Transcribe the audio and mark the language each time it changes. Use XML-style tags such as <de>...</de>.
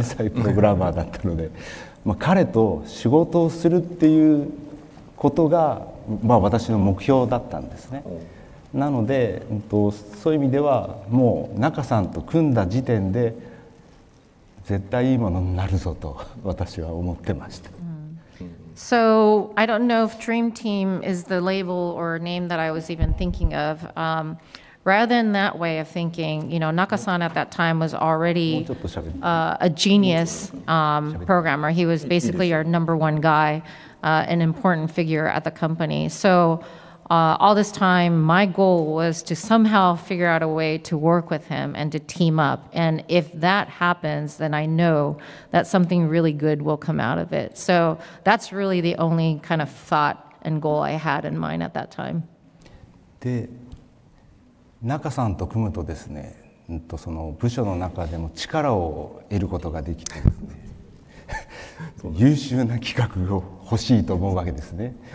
<ja>天才プログラマーだったので、まあ彼と仕事をするっていうことが、まあ、私の目標だったんですね。なので、そういう意味ではもう中さんと組んだ時点で絶対いいものになるぞと私は思ってました。</ja> <en>So I don't know if Dream Team is the label or name that I was even thinking of. Rather than that way of thinking, you know, Naka-san at that time was already a genius programmer. He was basically our number one guy, an important figure at the company. So all this time, my goal was to somehow figure out a way to work with him and to team up. And if that happens, then I know that something really good will come out of it. So that's really the only kind of thought and goal I had in mind at that time.</en> <ja>で、中さんと組むとですね、その部署の中でも力を得ることができてですね、優秀な企画を欲しいと思うわけですね。</ja>